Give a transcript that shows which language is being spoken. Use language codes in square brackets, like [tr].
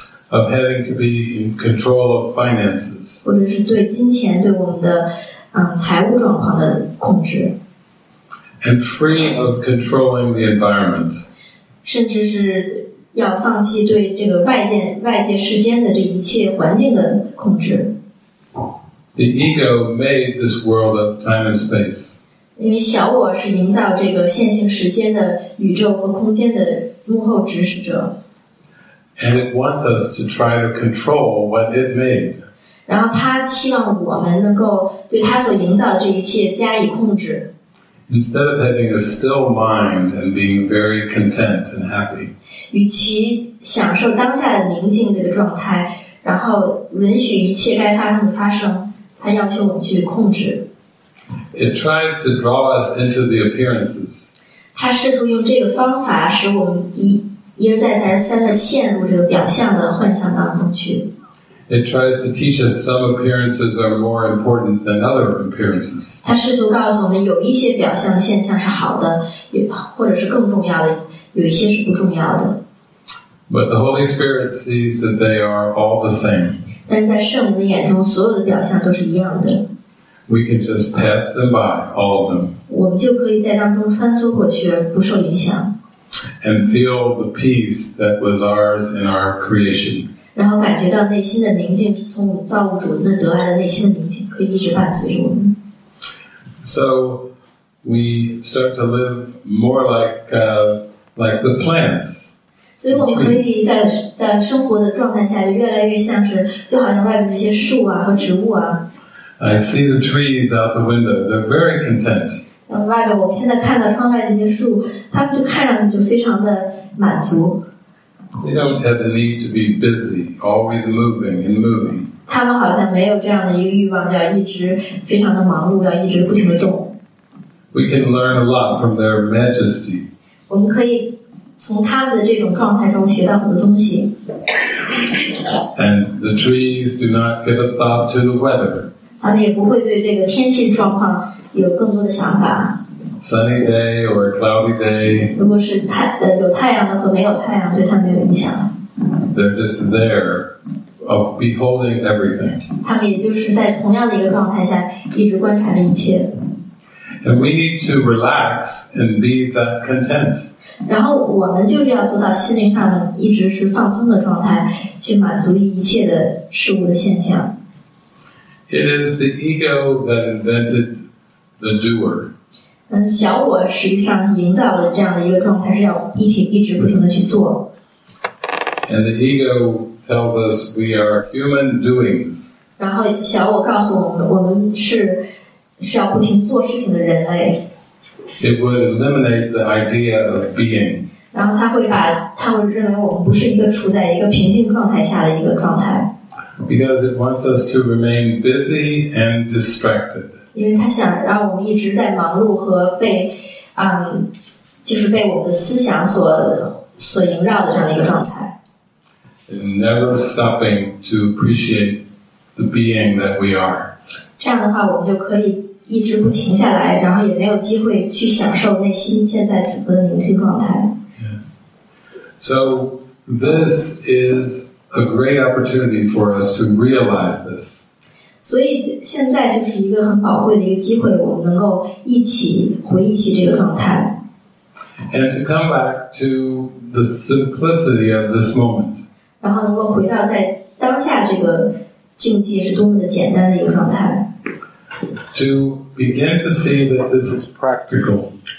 [en] Of having to be in control of finances. [zh] 或者是对金钱对我们的财务状况的控制。 [en] And free of controlling the environment. [zh] 甚至是要放弃对这个外界世间的这一切环境的控制。 [en] The ego made this world of time and space. [zh] 因为小我是营造这个线性时间的宇宙和空间的幕后指使者。 [en] And it wants us to try to control what it made. [zh] 然后他希望我们能够对他所营造的这一切加以控制。 [en] Instead of having a still mind and being very content and happy. [zh] 与其享受当下的宁静这个状态，然后允许一切该发生的发生，它要求我们去控制。 [en] It tries to draw us into the appearances. [zh] 它试图用这个方法使我们一而再再三地陷入这个表象的幻想当中去。 [en] It tries to teach us some appearances are more important than other appearances. [zh] 它试图告诉我们有一些表象的现象是好的，或者是更重要的，有一些是不重要的。 [en] But the Holy Spirit sees that they are all the same. [zh] 但在圣灵的眼中，所有的表象都是一样的。 [en] We can just pass them by, all of them. [zh] 我们就可以在当中穿梭过去，不受影响。 [en] And feel the peace that was ours in our creation. [zh] 然后感觉到内心的宁静，从我们造物主那得来的内心的宁静，可以一直伴随着我们。 [en] So we start to live more like the plants. [zh] 所以我们可以在生活的状态下，越来越像是，就好像外面那些树啊和植物啊。 [en] I see the trees out the window. They're very content. [zh] 外面我现在看到窗外那些树，它们就看上去就非常的满足。 [en] They don't have the need to be busy, always moving and moving. [zh] 他们好像没有这样的一个欲望，就要一直非常的忙碌，要一直不停的动。 [en] We can learn a lot from their majesty. [zh] 我们可以从他们的这种状态中学到很多东西。 [en] And the trees do not give a thought to the weather. [zh] 他们也不会对这个天气状况有更多的想法。 [en] Sunny day or a cloudy day. [zh] 如果是有太阳的和没有太阳，对他们没有影响。 [en] They're just there, of beholding everything. [zh] 他们也就是在同样的一个状态下，一直观察着一切。 [en] And we need to relax and be that content. [zh] 然后我们就是要做到心灵上的一直是放松的状态，去满足一切的事物的现象。 [en] It is the ego that invented the doer. [zh] 小我实际上营造了这样的一个状态，是要一直不停的去做。 [en] And the ego tells us we are human doings. [zh] 然后小我告诉我们，我们是要不停做事情的人类。 [en] It would eliminate the idea of being. [zh] 然后他会认为我们不是一个处在一个平静状态下的一个状态。 [en] Because it wants us to remain busy and distracted. [zh] 因为他想让我们一直在忙碌和被，就是被我们的思想所萦绕的这样的一个状态。 [en] Never stopping to appreciate the being that we are. [zh] 这样的话，我们就可以一直不停下来，然后也没有机会去享受内心现在此刻的宁静状态。 [en] Yes. So this is a great opportunity for us to realize this. [zh] 所以现在就是一个很宝贵的一个机会，我们能够一起回忆起这个状态。 [en] and to come back to the simplicity of this moment. To begin to see that this is practical.